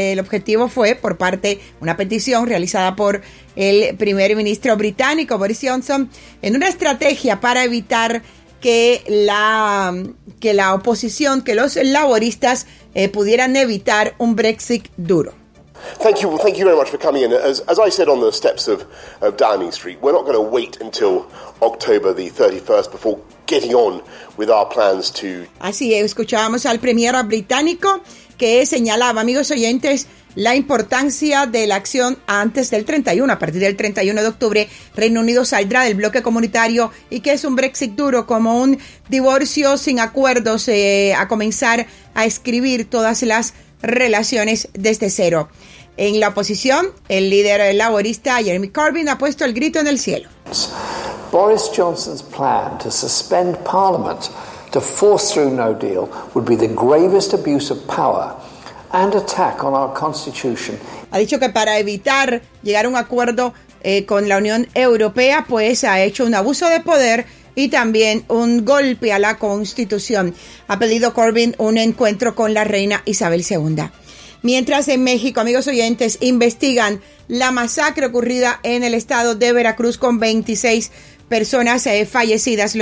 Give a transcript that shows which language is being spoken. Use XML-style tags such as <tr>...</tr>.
<es>El objetivo fue por parte de una petición realizada por el primer ministro británico Boris Johnson en una estrategia para evitar que la oposición, que los laboristas pudieran evitar un Brexit duro.</es> <en>Thank you. Well, thank you very much for coming in. As I said on the steps of Downing Street, we're not going to wait until October the 31st before getting on with our plans to.</en> <es>Así es, escuchábamos al premier británico que señalaba, amigos oyentes, la importancia de la acción antes del 31. A partir del 31 de octubre, Reino Unido saldrá del bloque comunitario y que es un Brexit duro, como un divorcio sin acuerdos, a comenzar a escribir todas las relaciones desde cero. En la oposición, el líder laborista Jeremy Corbyn ha puesto el grito en el cielo.</es> <en>Boris Johnson's plan to suspend Parliament to force through no deal would be the gravest abuse of power and attack on our constitution.</en> <es>Ha dicho que para evitar llegar a un acuerdo con la Unión Europea, pues ha hecho un abuso de poder y también un golpe a la Constitución. Ha pedido Corbyn un encuentro con la reina Isabel II. Mientras en México, amigos oyentes, investigan la masacre ocurrida en el estado de Veracruz con 26 personas fallecidas.</es>